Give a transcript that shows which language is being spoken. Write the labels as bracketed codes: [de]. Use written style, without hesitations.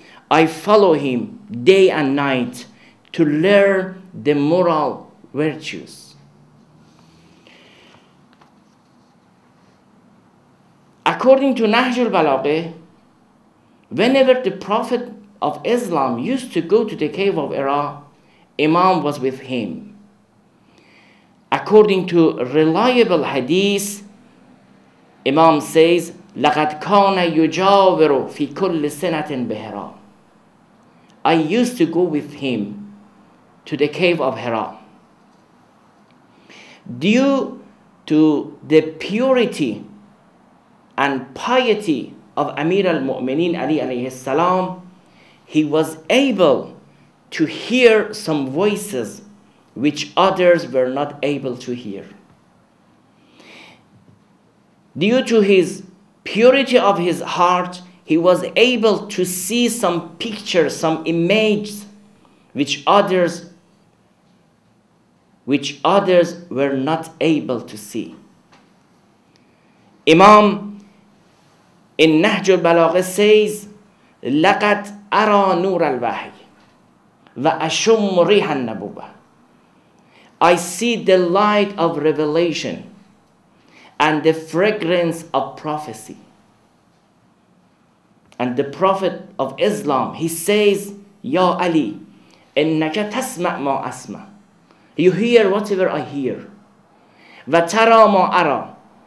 [en] I follow him day and night to learn the moral virtues. According to Nahjul Balagha, whenever the Prophet of Islam used to go to the cave of Ira, Imam was with him. According to reliable hadith, Imam says, [ar] لَقَدْ كَانَ يُجَاوِرُ فِي كُلِّ سَنَةٍ بِهِرَا. [en] I used to go with him to the cave of Hira. Due to the purity and piety of Amir al-Mu'minin Ali alayhi salam, he was able to hear some voices which others were not able to hear. Due to his purity of his heart, he was able to see some pictures, some images which others were not able to see. Imam in Nahjul Balagha says, [ar] لَقَدْ أَرَى نُورَ الْوَحِي وَأَشُمُّ رِيحَ النَّبُوَّةِ. [en] I see the light of revelation and the fragrance of prophecy. And the Prophet of Islam, he says, Ya Ali, [ar] innaka tasma' ma asma. [en] You hear whatever I hear. [ar] Wa tara ma ara.